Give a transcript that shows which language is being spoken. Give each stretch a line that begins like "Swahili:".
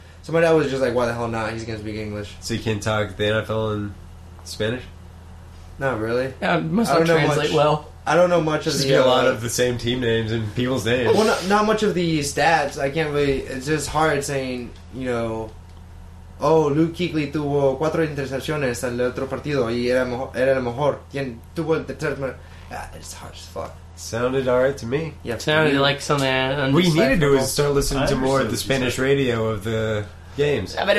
English: So my dad was just like, why the hell not? He's going to speak English. So you can't talk the NFL in Spanish? Not really. Yeah, it must not translate much. Well. I don't know much of just the... Just a lot of the same team names and people's names. Well, not much of the stats. I can't really... It's just hard saying,
Spanish: Luke Kuechly tuvo 4 intercepciones en el otro partido y era el mejor. ¿Quién tuvo el tercer?
English: It's hard as fuck. Sounded alright to me. Yep. Sounded like something. What you need to do is start listening to more of the Spanish radio of the games.